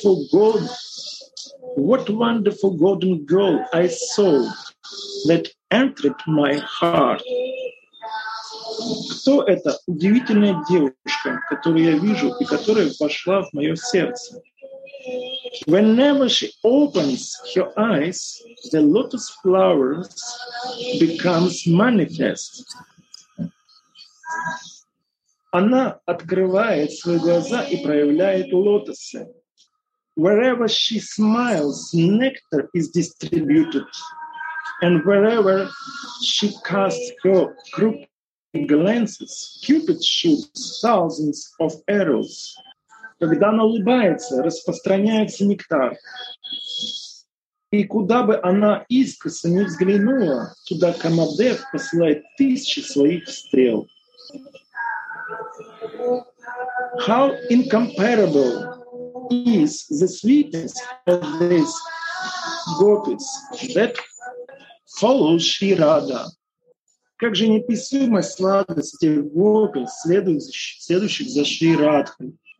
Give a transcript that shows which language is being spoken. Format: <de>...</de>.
<en>What wonderful golden girl I saw that entered my heart.</en> <ru>Кто эта удивительная девушка, которую я вижу и которая вошла в мое сердце?</ru> <en>Whenever she opens her eyes, the lotus flowers becomes manifest.</en> <ru>Она открывает свои глаза и проявляет лотосы.</ru> <en>Wherever she smiles, nectar is distributed. And wherever she casts her crooked glances, Cupid shoots thousands of arrows.</en> <ru>Когда она улыбается, распространяется нектар. И куда бы она искоса ни взглянула, туда Камадев посылает тысячи своих стрел.</ru> <en>How incomparable is the sweetness of this gopis that follows Shri Radha.</en> <ru>Как же неописуемая сладость гопис, следующих за Шри Радхой.</ru>